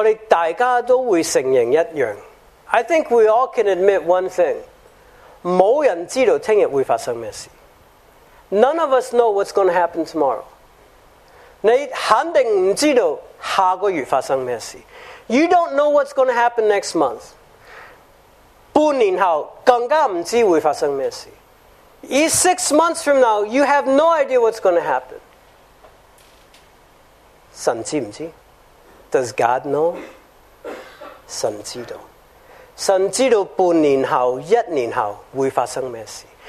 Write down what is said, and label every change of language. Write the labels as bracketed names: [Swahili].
[Chinese] 我想我们大家都会承认一样. [English] I think we all can admit one thing. [Chinese] 没人知道明天会发生什么事. [English] None of us know what's going to happen tomorrow. [Chinese] 你肯定不知道下个月发生什么事. [English] You don't know what's going to happen next month. [Chinese] 半年后更加不知道会发生什么事. [English] 6 months from now, you have no idea what's going to happen. [Chinese] 神知不知? [English] Does God know? [Chinese] 神知道. 神知道半年后、一年后会发生什么事.